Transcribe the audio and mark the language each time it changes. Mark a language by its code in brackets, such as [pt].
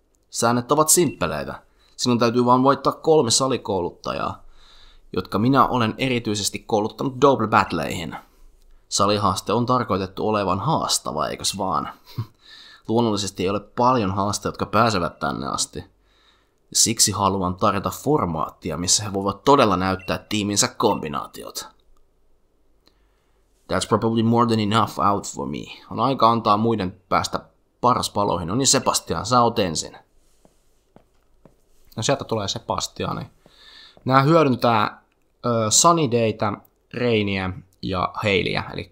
[fi] Säännöt ovat simppeleitä. Sinun täytyy vaan voittaa 3 salikouluttajaa, jotka minä olen erityisesti kouluttanut double battleihin. Salihaaste on tarkoitettu olevan haastava, eikös vaan? Luonnollisesti ei ole paljon haasteita, jotka pääsevät tänne asti. Siksi haluan tarjota formaattia, missä he voivat todella näyttää tiiminsä kombinaatiot. [en] That's probably more than enough out for me. [fi] On aika antaa muiden päästä paras paloihin. No niin, Sebastian, sä oot ensin. No sieltä tulee Sebastiani. Nää hyödyntää Sunny Dayta, Rainia ja Hailia.